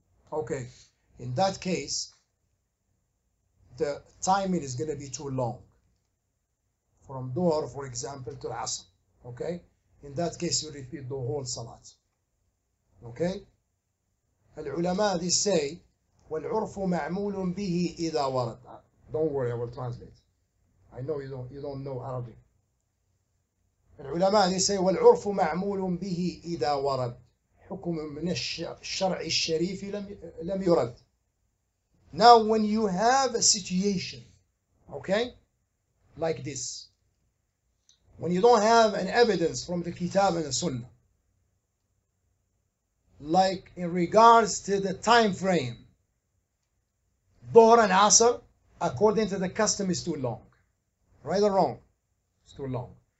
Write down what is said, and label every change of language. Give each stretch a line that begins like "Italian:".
English: Okay, in that case, the timing is going to be too long. From Duhr, for example, to Asr. Okay, in that case, you repeat the whole salat.
Arabic: Okay, العلماء
English: they say
Arabic: والعرف معمول به إذا ورد.
English: Don't worry, I will translate. I know you don't know Arabic.
Arabic: العلماء
English: they say
Arabic: والعرف معمول به إذا ورد حكم من الشرع الشريف لم يرد.
English: Now when you have a situation, okay, like this, when you don't have an evidence from the Kitab and the Sunnah, like in regards to the time frame, Dhuhr and Asr, according to the custom, is too long. Right or wrong? It's too long.